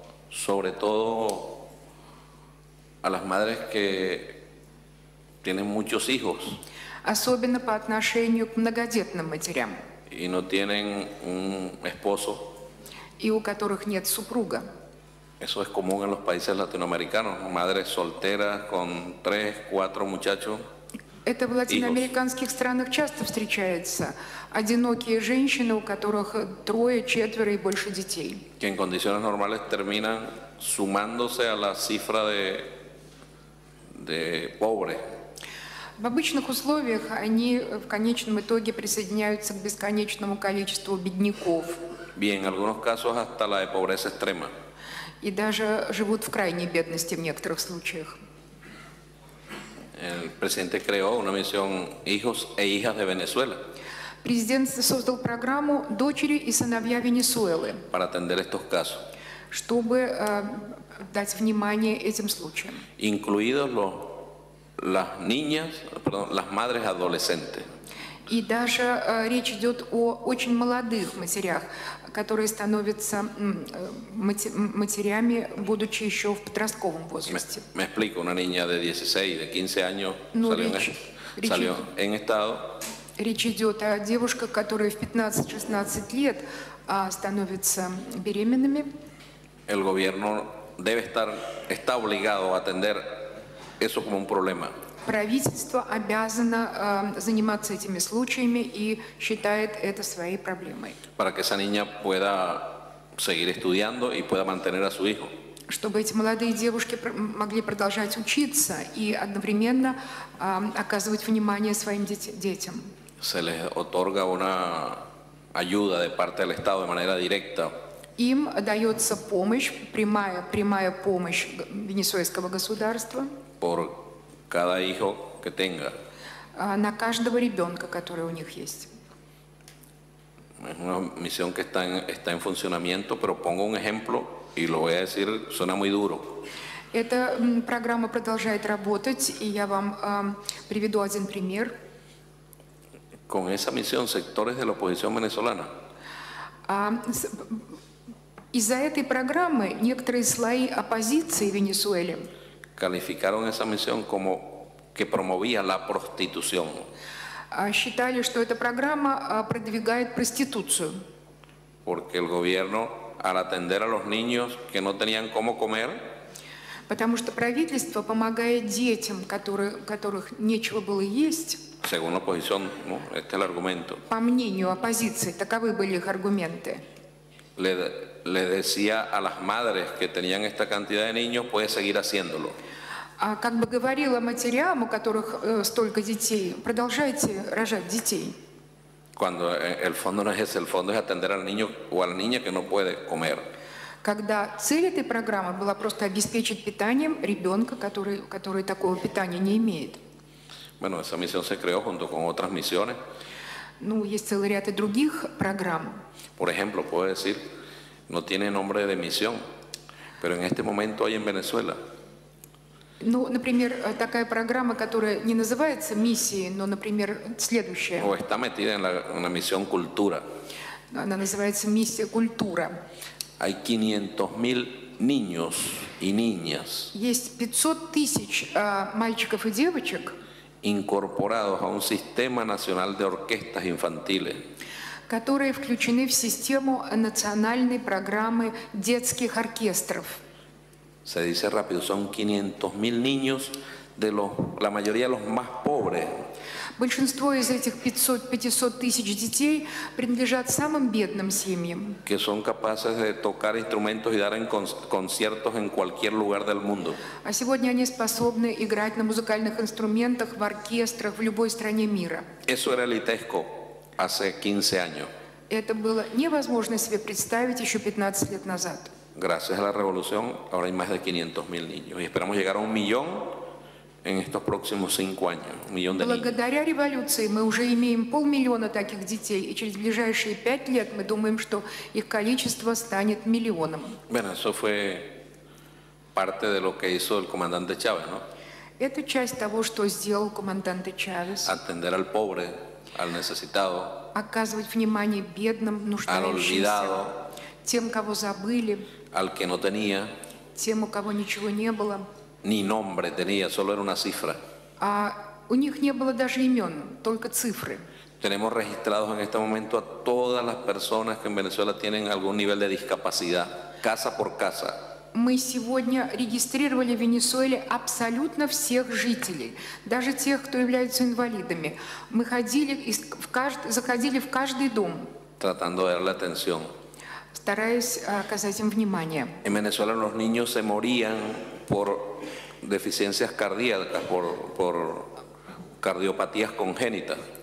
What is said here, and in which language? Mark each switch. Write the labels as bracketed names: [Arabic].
[Spanish] Sobre todo a las madres que tienen muchos hijos. [Russian] Особенно по отношению к многодетным матерям. [Spanish] Y no tienen un esposo. [Russian] И у которых нет супруга. [Spanish] Eso es común en los países latinoamericanos. Madres solteras con 3-4 muchachos. [Russian] Это в латиноамериканских странах часто встречается. Одинокие женщины, у которых 3-4 и больше детей. [Spanish] Que en condiciones normales terminan sumándose a la cifra de pobres. [Russian] В обычных условиях они в конечном итоге присоединяются к бесконечному количеству бедняков. [Spanish] Bien, en algunos casos hasta la de pobreza extrema. [Russian] И даже живут в крайней бедности в некоторых случаях. [Spanish] El presidente creó una misión Hijos e Hijas de Venezuela. [Russian] Президент создал программу «Дочери и сыновья Венесуэлы». [Spanish] Para atender estos casos. [Russian] Чтобы дать внимание этим случаям. [Spanish] Incluidos los las niñas, perdón, las madres adolescentes. [Russian] И даже речь идет о очень молодых матерях, которые становятся матерями, будучи еще в подростковом возрасте. [Spanish] Me explico, una niña de 16, de 15 años salió en estado. [Russian] Речь идет о девушках, которые в 15-16 лет становятся беременными. [Spanish] El gobierno debe estar, está obligado a atender eso como un problema. [Russian] Правительство обязано заниматься этими случаями и считает это своей проблемой. [Spanish] Para que esa niña pueda seguir estudiando y pueda mantener a su hijo. [Russian] Чтобы эти молодые девушки могли продолжать учиться и одновременно оказывать внимание своим детям. [Spanish] Se les otorga una ayuda de parte del Estado de manera directa. [Russian] Им дается помощь, прямая помощь венесуэльского государства. [Spanish] Por cada hijo que tenga. [Russian] На каждого ребенка, который у них есть. [Spanish] Es una misión que está en funcionamiento, pero pongo un ejemplo y lo voy a decir, suena muy duro. [Russian] Эта программа продолжает работать, и я вам приведу один пример. [Spanish] Con esa misión, sectores de la oposición venezolana. [Russian] Из-за этой программы некоторые слои оппозиции в Венесуэле [Spanish] calificaron esa misión como que promovía la prostitución. [Russian] Считали, что эта программа продвигает проституцию. [Spanish] Porque el gobierno, al atender a los niños que no tenían cómo comer, [Russian] потому что правительство помогает детям, которых нечего было есть. [Spanish] Según la oposición, ¿no? Este es el argumento. [Russian] По мнению оппозиции, таковы были их аргументы. [Spanish] Le decía a las madres que tenían esta cantidad de niños, puede seguir haciéndolo. [Russian] Как бы говорила матерям, у которых столько детей, продолжайте рожать детей. [Spanish] Cuando el fondo no es ese, el fondo es atender al niño o a la niña que no puede comer. [Russian] Когда цель этой программы была просто обеспечить питанием ребенка, который такого питания не имеет. [Spanish] Bueno, esa misión se creó junto con otras misiones. [Russian] Ну, есть целый ряд и других программ. [Spanish] Por ejemplo, puedo decir, no tiene nombre de misión, pero en este momento hay en Venezuela. [Russian] Ну, например, такая программа, которая не называется миссией, но, например, следующая. [Spanish] O está metida en la misión cultura. [Russian] Она называется миссия культура. [Spanish] Hay 500,000 niños y niñas. [Russian] Есть 500 тысяч мальчиков и девочек. [Spanish] Incorporados a un sistema nacional de orquestas infantiles. [Russian] Которые включены в систему национальной программы детских оркестров. [Spanish] Se dice rápido, son 500,000 niños de los, la mayoría de los más pobres. [Russian] Большинство из этих 500 тысяч детей принадлежат самым бедным семьям. [Spanish] Que son capaces de tocar instrumentos y dar conciertos en cualquier lugar del mundo. [Russian] А сегодня они способны играть на музыкальных инструментах, в оркестрах, в любой стране мира. [Spanish] Eso era el ITESCO hace 15 años. [Russian] Это было невозможно себе представить еще 15 лет назад. [Spanish] Gracias a la revolución, ahora hay más de 500,000 niños. Y esperamos llegar a 1,000,000 en estos próximos 5 años. 1,000,000 de niños. [Russian] Благодаря революции мы уже имеем 500,000 таких детей, и через ближайшие 5 лет мы думаем, что их количество станет миллионом. [Spanish] Bueno, eso fue parte de lo que hizo el comandante Chávez, ¿no? [Russian] Это часть того, что сделал [Spanish] comandante Chávez. Atender al pobre, al necesitado. [Russian] Оказывать внимание бедным, нуждающимся. [Spanish] Al olvidado. [Russian] Тем, кого забыли, [Spanish] al que no tenía, [Russian] тем, у кого ничего не было, [Spanish] ni nombre tenía, solo era una cifra. [Russian] А у них не было даже имен, только цифры. [Spanish] Tenemos registrados en este momento a todas las personas que en Venezuela tienen algún nivel de discapacidad, casa por casa. [Russian] Мы сегодня регистрировали в Венесуэле абсолютно всех жителей, даже тех, кто является инвалидами. Мы ходили и заходили в каждый дом, [Spanish] tratando de darle atención. [Russian] Стараясь оказать им внимание. [Spanish] En Venezuela los niños se morían por deficiencias cardíacas, por cardiopatías congénitas.